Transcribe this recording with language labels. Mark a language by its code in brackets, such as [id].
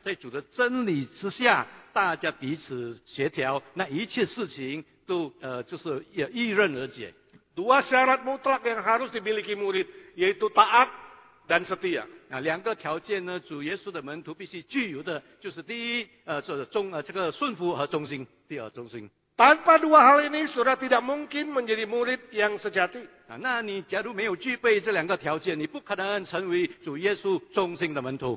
[zh] 大家如果能够一起同心的在主的面前屈服下来，在主的真理之下。大家彼此协调，那一切事情都就是一刃而解。 [id] Dua syarat mutlak yang harus dimiliki murid, yaitu taat dan setia. [zh] Nah, 两个条件呢, 主耶稣的门徒必须具有的, 就是第一, 这个顺服和忠心, 第二忠心。 [id] Tanpa dua hal ini, sudah tidak mungkin menjadi murid yang sejati. [zh] Nah, 那你假如没有具备这两个条件, 你不可能成为主耶稣忠心的门徒。